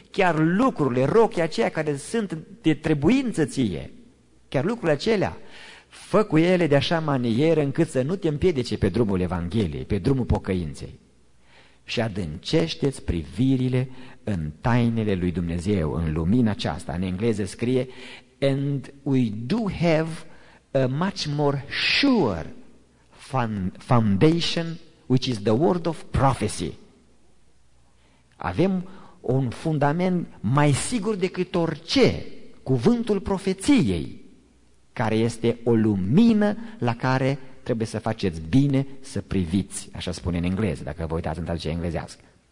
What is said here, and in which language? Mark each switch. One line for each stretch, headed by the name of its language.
Romanian: Chiar lucrurile, rochii aceia care sunt de trebuință ție, chiar lucrurile acelea, fă cu ele de așa manieră încât să nu te împiedice pe drumul Evangheliei, pe drumul pocăinței. Și adâncește-ți privirile în tainele lui Dumnezeu, în lumina aceasta. În engleză scrie,
English: and we do have a much more sure foundation, which is the word of prophecy.
Romanian: Avem un fundament mai sigur decât orice, cuvântul profeției, care este o lumină la care trebuie să faceți bine să priviți, așa spune în engleză, dacă vă uitați în traducerea englezească.